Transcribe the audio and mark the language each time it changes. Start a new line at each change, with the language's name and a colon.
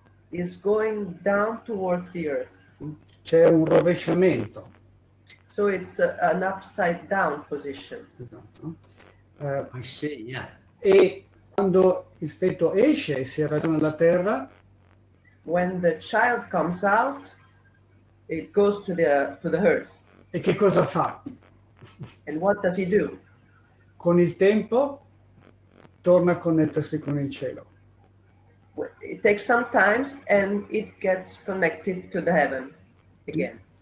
English: Is going down towards the earth.
Italian: C'è un rovesciamento.
English: So it's an upside down position.
Italian: Esatto.
English: I see, yeah.
Italian: E quando il feto esce e si avvicina alla terra.
English: When the child comes out, it goes to the earth.
Italian: E che cosa fa?
English: And what does he do?
Italian: Con il tempo, torna a connettersi con il cielo.
English: It takes some time and it gets connected to the heaven again.